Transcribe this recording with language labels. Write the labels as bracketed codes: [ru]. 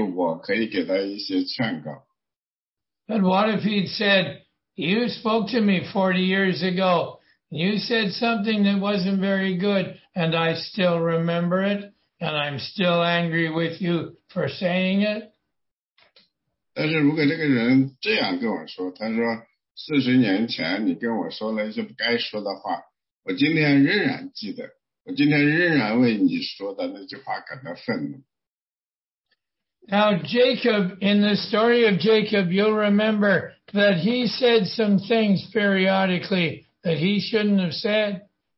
[zh] 幸运的时候呢，我跟他讲的是话呢，是一句对的话，是让他去做一个正确的事情。他就回去呢，把那个事情呢做了正确了，他很高兴，我也很高兴，所以我可以给他一些劝告。 [en] But what if he'd said, you spoke to me 40 years ago, you said something that wasn't very good, and I still remember it, and I'm still angry with you for saying it? [zh] 但是如果这个人这样跟我说，他说40年前你跟我说了一些不该说的话，我今天仍然记得，我今天仍然为你说的那句话感到愤怒。 [en] Now Jacob, in the story of Jacob, you'll remember that he said some things periodically that he shouldn't have said.